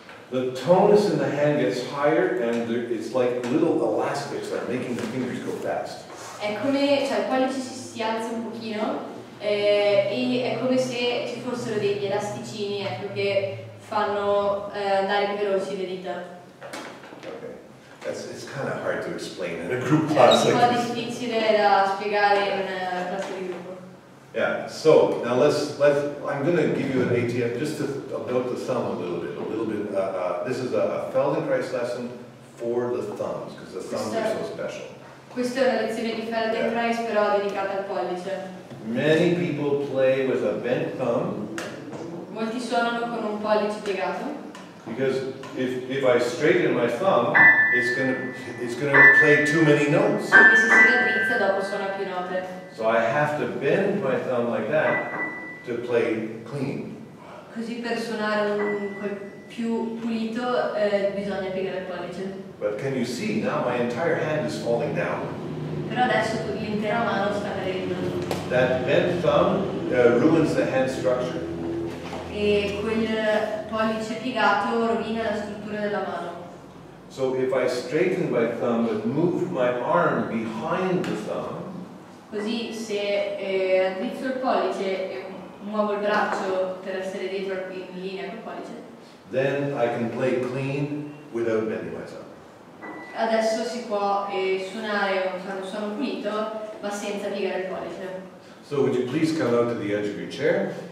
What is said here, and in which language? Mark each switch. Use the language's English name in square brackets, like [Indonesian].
[English] The tonus in the hand gets higher and it's like little elastics that are making the fingers go fast. [Italian] È come, cioè il pollice si alza un pochino e è come se ci fossero degli elasticini, ecco, che fanno andare più veloci le dita. [English] Okay, it's kind of hard to explain in a group class. [Italian] È un po' difficile da spiegare in una classe di gruppo. [English] Yeah, so now let's I'm going to give you an ATM just to about the thumb a little bit. This is a Feldenkrais lesson for the thumbs because the thumbs are so special. [Italian] Questa è una lezione di Feldenkrais, però dedicata al pollice. [English] Many people play with a bent thumb. [Italian] Molti suonano con un pollice piegato. [English] Because if I straighten my thumb, it's gonna play too many notes. [Italian] Anche se si raddrizza, dopo suona più note. [English] So I have to bend my thumb like that to play clean. [Italian] Così per suonare più pulito, bisogna piegare il pollice. [English] But can you see now my entire hand is falling down? [Italian] Però adesso l'intera mano sta cadendo. [English] That bent thumb ruins the hand structure. [Italian] E quel pollice piegato rovina la struttura della mano. [English] So if I straighten my thumb and move my arm behind the thumb. [Italian] Così se addrizzo il pollice e muovo il braccio per essere dietro in linea col pollice. [English] Then I can play clean without bending my thumb. [Italian] Adesso si può suonare un suono pulito, ma senza piegare il pollice. [English] So would you please come out to the edge of your chair?